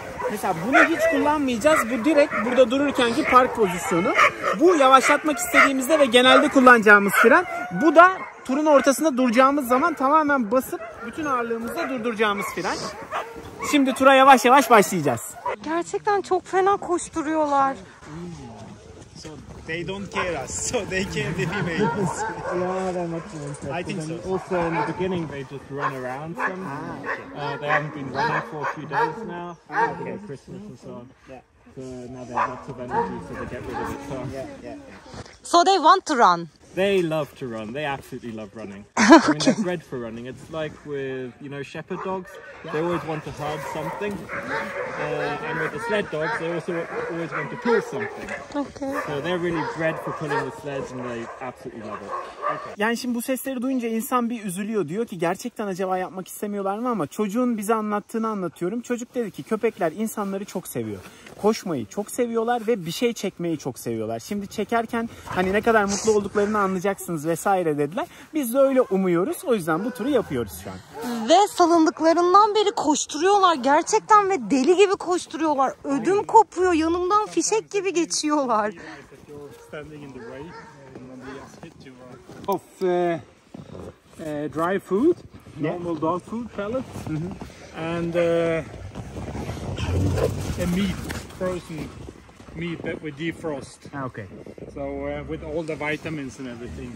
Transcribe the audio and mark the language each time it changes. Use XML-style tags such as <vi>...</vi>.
<tr>Mesela bunu hiç kullanmayacağız. Bu direkt burada dururkenki park pozisyonu. Bu yavaşlatmak istediğimizde ve genelde kullanacağımız fren. Bu da turun ortasında duracağımız zaman tamamen basıp bütün ağırlığımızla durduracağımız fren. Şimdi tura yavaş yavaş başlayacağız. Gerçekten çok fena koşturuyorlar.</tr> <en>So they don't care us. So they care the females. I think so. Also in the beginning they just run around some. They haven't been running for a few days now. Okay, Christmas and so on. Yeah. So now they have lots of energy, so they get rid of it. So they want to run. They love to run. They absolutely love running. Okay. I mean, they're bred for running. It's like with, you know, shepherd dogs. They always want to herd something. And with the sled dogs, they also always want to pull something. Okay. So they're really bred for pulling the sleds and they absolutely love it. Okay.</en> <tr>Yani şimdi bu sesleri duyunca insan bir üzülüyor. Diyor ki gerçekten acaba yapmak istemiyorlar mı, ama çocuğun bize anlattığını anlatıyorum. Çocuk dedi ki köpekler insanları çok seviyor. Koşmayı çok seviyorlar ve bir şey çekmeyi çok seviyorlar. Şimdi çekerken hani ne kadar mutlu olduklarını anlayacaksınız vesaire dediler. Biz de öyle umuyoruz. O yüzden bu turu yapıyoruz şu an. Ve salındıklarından beri koşturuyorlar gerçekten ve deli gibi koşturuyorlar. Ödüm kopuyor. Yanımdan fişek gibi geçiyorlar.</tr> <en>Of dry food, normal dog food pellets, and a meat, frozen meat that we defrost. Okay. So with all the vitamins and everything.</en>